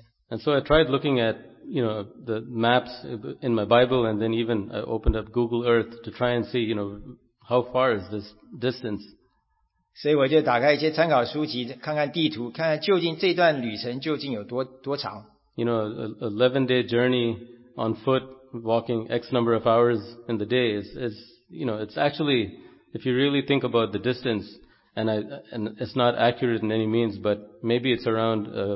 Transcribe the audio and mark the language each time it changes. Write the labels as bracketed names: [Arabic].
[English] And so I tried looking at, you know, the maps in my Bible, and then even I opened up Google Earth to try and see, you know, how far is this distance. [Chinese] 所以我就打开一些参考书籍，看看地图，看看究竟这段旅程究竟有多长。 [English] You know, an 11-day journey on foot, walking X number of hours in the day is, you know, it's actually, if you really think about the distance, And it's not accurate in any means, but maybe it's around